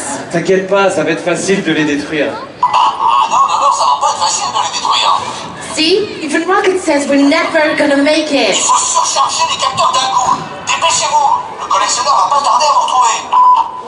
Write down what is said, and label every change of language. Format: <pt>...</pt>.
<fr>T'inquiète pas, ça va être facile de les détruire. Non, ça va pas être facile de les détruire.</fr> <en>See, even Rocket says we're never gonna make it.</en> <fr>Il faut surcharger les capteurs d'un coup. Dépêchez-vous, le collectionneur va pas tarder à vous retrouver.</fr>